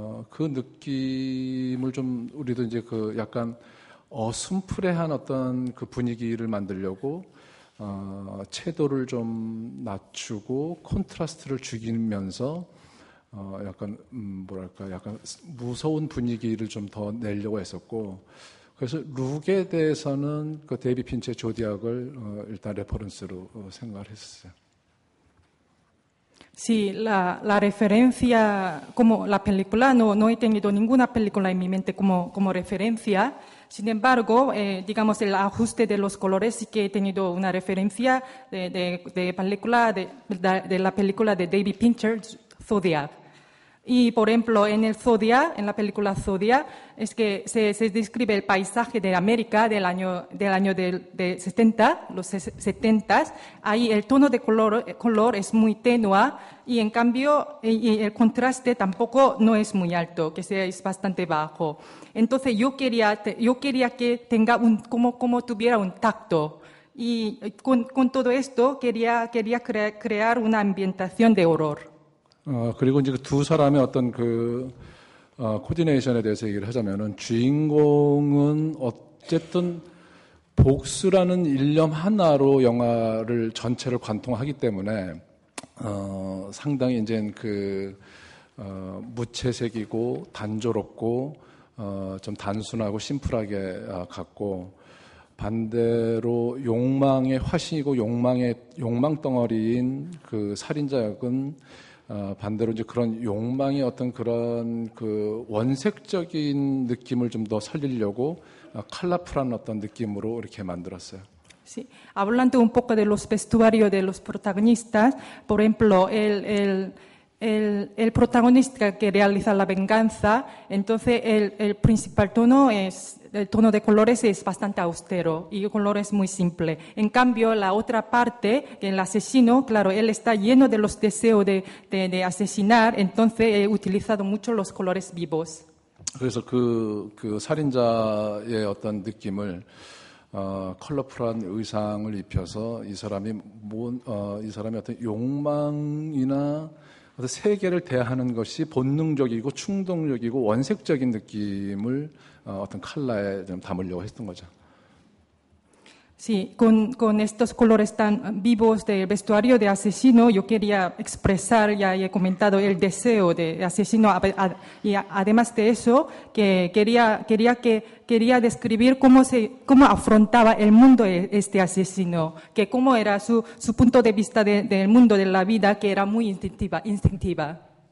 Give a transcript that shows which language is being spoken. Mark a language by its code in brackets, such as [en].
[ko] 그 느낌을 좀 우리도 이제 그 약간 어슴푸레한 어떤 그 분위기를 만들려고 채도를 좀 낮추고 콘트라스트를 죽이면서 약간 뭐랄까 약간 무서운 분위기를 좀 더 내려고 했었고. 그래서 룩에 대해서는 그 데이비 핀처의 조디악을 일단 레퍼런스로 생각을 했었어요. [es] Sí, la referencia como la película no he tenido ninguna película en mi mente como referencia. Sin embargo, digamos el ajuste de los colores sí que he tenido una referencia de la película de David Fincher Zodiac. Y, por ejemplo, en el Zodiac, en la película Zodiac, es que se describe el paisaje de América del año de 70, los 70s. Ahí el tono de color es muy tenue y, en cambio, y el contraste tampoco no es muy alto, que sea, es bastante bajo. Entonces, yo quería que tenga como tuviera un tacto. Y con todo esto, quería crear una ambientación de horror. [ko] 그리고 이제 그 두 사람의 어떤 그 코디네이션에 대해서 얘기를 하자면은 주인공은 어쨌든 복수라는 일념 하나로 영화를 전체를 관통하기 때문에 상당히 이제 그 무채색이고 단조롭고 좀 단순하고 심플하게 갔고 반대로 욕망의 화신이고 욕망 덩어리인 그 살인자 역은 반대로 이제 그런 욕망이 어떤 그런 그 원색적인 느낌을 좀 더 살리려고 컬러풀한 어떤 느낌으로 이렇게 만들었어요. [es] Sí. Hablando un poco de los vestuarios de los protagonistas, por ejemplo, el protagonista que realiza la venganza, entonces el principal tono es el tono de colores es bastante austero y el color es muy simple. En cambio, la otra parte, el asesino, claro, él está lleno de los deseos de asesinar, entonces he utilizado mucho los colores vivos. [ko] 그래서 그 살인자의 어떤 느낌을 컬러풀한 의상을 입혀서 이 사람이 이 사람의 어떤 욕망이나 어떤 세계를 대하는 것이 본능적이고 충동적이고 원색적인 느낌을 어떤 컬러에 좀 담으려고 했던 거죠. [es] Sí, con estos colores tan vivos del vestuario de asesino, yo quería expresar, ya he comentado, el deseo de asesino. Y además de eso, que quería describir cómo afrontaba el mundo este asesino, que cómo era su punto de vista del mundo, de la vida, que era muy instintiva.